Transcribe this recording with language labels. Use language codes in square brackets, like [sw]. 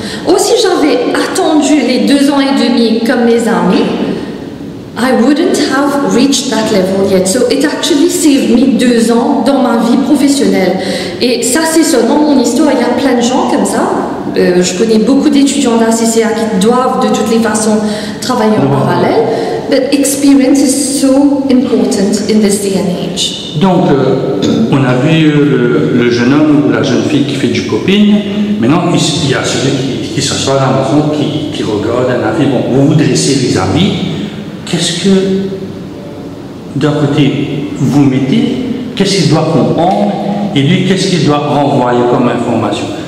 [fr] Aussi, j'avais attendu les 2 ans et demi comme mes amis, [en] I wouldn't have reached that level yet. So it actually saved me [fr] 2 ans dans ma vie professionnelle. Et ça, c'est seulement mon histoire. Il y a plein de gens comme ça. Je connais beaucoup d'étudiants de la CCA qui doivent de toutes les façons travailler en parallèle. [en] But experience is so important in this day and age. [fr] Donc, on a vu le jeune homme ou la jeune fille qui fait du popping. Maintenant, il y a celui qui s'assoit à la maison, qui regarde un avis. Bon, vous vous dressez les avis. Qu'est-ce que, d'un côté, vous mettez, qu'est-ce qu'il doit comprendre, et lui, qu'est-ce qu'il doit renvoyer comme information?